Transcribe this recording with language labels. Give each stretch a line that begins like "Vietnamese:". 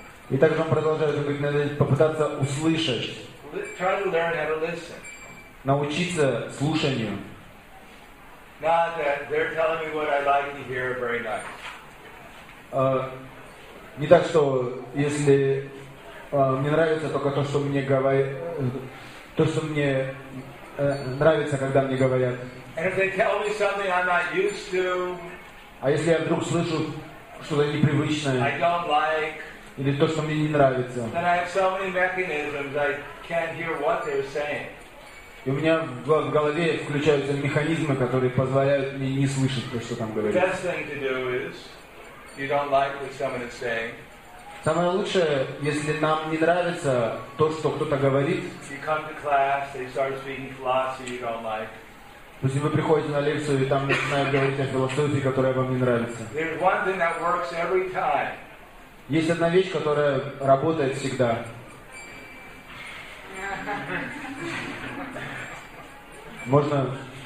Russian: И также он продолжает, он говорит, попытаться услышать.
English: Try to learn how to listen.
Russian: Научиться слушанию.
English: Not that they're telling me what I like to hear very nice.
Russian: Не так, что если мне нравится только то, что мне говорят, то, что мне нравится, когда мне говорят.
English: And if they tell me something I'm not used to,
Russian: а если я вдруг слышу что-то непривычное,
English: I don't like,
Russian: или то, что мне не нравится,
English: then I have so many mechanisms I can't hear what they're saying.
Russian: И у меня в голове включаются механизмы, которые позволяют мне не слышать то, что там говорят.
English: The best thing to do is, you don't like what someone is saying.
Russian: Самое лучшее, если нам не нравится то, что кто-то говорит.
English: You come to class, they start speaking philosophy you don't like.
Russian: То есть вы приходите на лекцию и там начинают говорить о философии, которая вам не нравится.
English: There's one thing that works every time.
Russian: Есть одна вещь, которая работает всегда. Можно.